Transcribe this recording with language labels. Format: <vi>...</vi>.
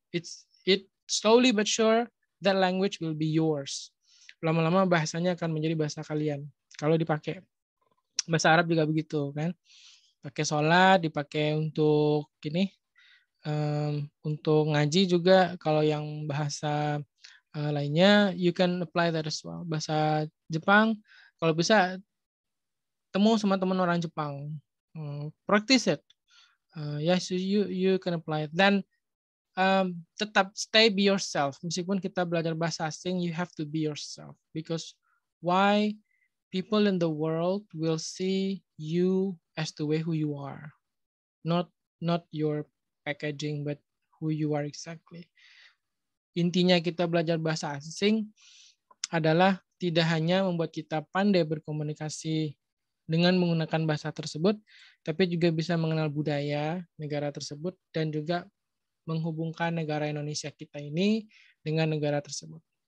<en>It slowly but sure that language will be yours.</en> <id>Lama-lama bahasanya akan menjadi bahasa kalian. Kalau dipakai, bahasa Arab juga begitu kan? Pakai sholat, dipakai untuk ini. Untuk ngaji juga, kalau yang bahasa lainnya,</id> <en>you can apply that as well.</en> <id>Bahasa Jepang, kalau bisa, temu sama teman orang Jepang.</id> <en>Practice it. Yes, you can apply it. Then,</en> <id>tetap</id> <en>stay be yourself.</en> <id>Meskipun kita belajar bahasa asing,</id> <en>you have to be yourself. Because why people in the world will see you as the way who you are, not your packaging, but who you are exactly.</en> <id>Intinya kita belajar bahasa asing adalah tidak hanya membuat kita pandai berkomunikasi dengan menggunakan bahasa tersebut, tapi juga bisa mengenal budaya negara tersebut dan juga menghubungkan negara Indonesia kita ini dengan negara tersebut.</id>